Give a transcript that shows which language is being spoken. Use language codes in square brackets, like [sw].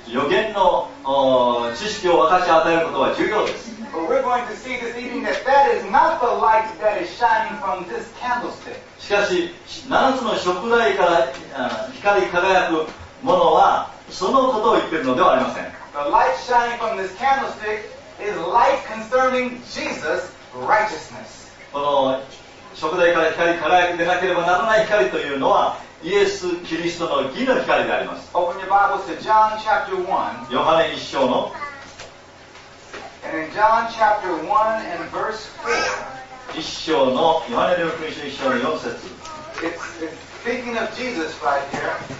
[ja] 予言の知識を分かち与えることは重要です。 [en] But we're going to see this evening that that is not the light that is shining from this candlestick. [ja] しかし、7つの燭台から光り輝くものは、そのことを言っているのではありません。 [en] The light shining from this candlestick is light concerning Jesus' righteousness. [ja] この燭台から光り輝くでなければならない光というのは、イエス・キリストの義の光であります。 [en] Open your Bibles to John chapter 1. [ja] ヨハネ一章の。 [en] And in John chapter 1 and verse 4, [ja] 一章のヨハネの福音書一章の4節。 [en] It's speaking of Jesus right here.